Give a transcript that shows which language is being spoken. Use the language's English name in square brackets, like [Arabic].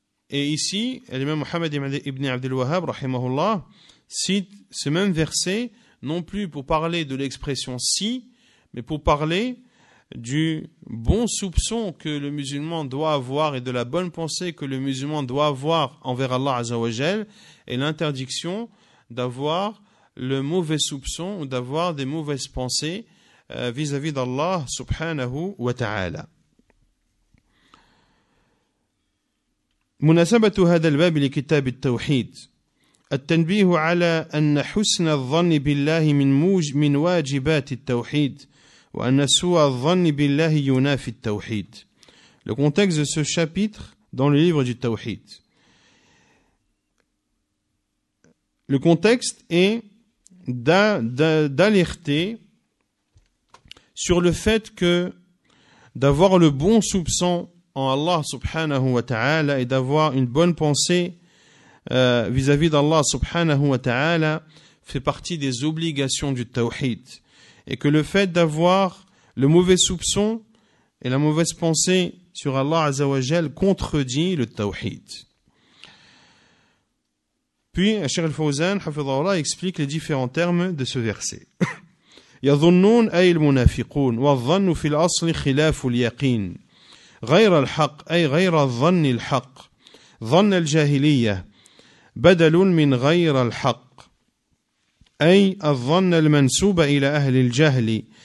[French] Et ici, l'imam Mohammed ibn Abdel Wahhab, rahimahullah, cite ce même verset, non plus pour parler de l'expression « si », mais pour parler du bon soupçon que le musulman doit avoir et de la bonne pensée que le musulman doit avoir envers Allah Azzawajal et l'interdiction d'avoir le mauvais soupçon ou d'avoir des mauvaises pensées vis-à-vis d'Allah subhanahu wa ta'ala. [Arabic] مناسبة هذا الباب لكتاب التوحيد التنبيه على أن حسن الظن بالله من واجبات التوحيد وأن سوء الظن بالله ينافي التوحيد. [French] Le contexte de ce chapitre dans le livre du Tawhid. Le contexte est d'alerter sur le fait que d'avoir le bon soupçon en Allah subhanahu wa ta'ala et d'avoir une bonne pensée vis-à-vis d'Allah subhanahu wa ta'ala fait partie des obligations du tawhid, et que le fait d'avoir le mauvais soupçon et la mauvaise pensée sur Allah azza wa jal contredit le tawhid. Puis Cheikh Al-Fawzan hafidhahullah explique les différents termes de ce verset. [Arabic] يظنون أي المنافقون والظن في الأصل خلاف اليقين غير الحق أي غير الظن الحق ظن الجاهلية بدل من غير الحق أي الظن المنسوب إلى أهل الجهل